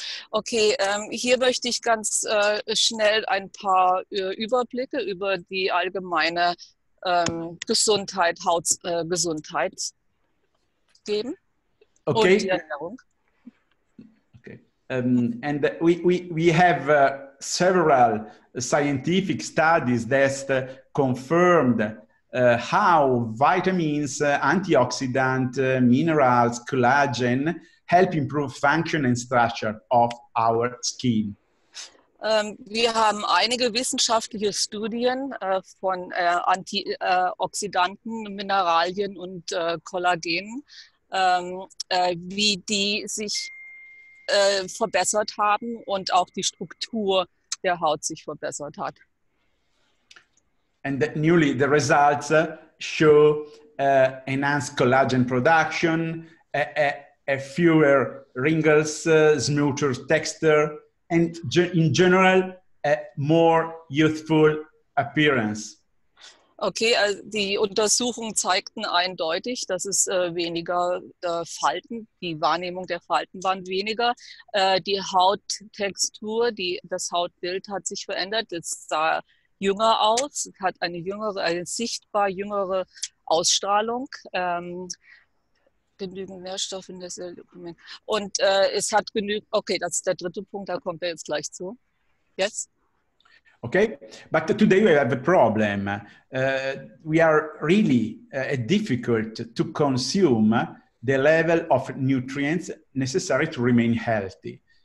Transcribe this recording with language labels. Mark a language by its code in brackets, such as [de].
[de] Okay, hier möchte ich ganz schnell ein paar Überblicke über die allgemeine Gesundheit, Hautgesundheit geben. Okay. Und die Ernährung. Okay. [en] And we have several scientific studies that confirmed how vitamins, antioxidants, minerals, collagen help improve function and structure of our skin. [de] Wir haben einige wissenschaftliche Studien von Antioxidanten, Mineralien und Kollagenen, wie die sich verbessert haben und auch die Struktur der Haut sich verbessert hat. [en] And newly the results show enhanced collagen production, a fewer wrinkles, smoother texture, and in general, a more youthful appearance. [de] Okay, die Untersuchungen zeigten eindeutig, dass es weniger Falten, die Wahrnehmung der Falten waren weniger. Die Hauttextur, das Hautbild hat sich verändert. Es sah jünger aus, hat eine sichtbar jüngere Ausstrahlung. Genügend Nährstoffe in der Zelle. Und es hat genügend, okay, das ist der dritte Punkt, da kommt er jetzt gleich zu. [en] Yes? Okay, but today we have a problem. We are really difficult to consume the level of nutrients necessary to remain healthy.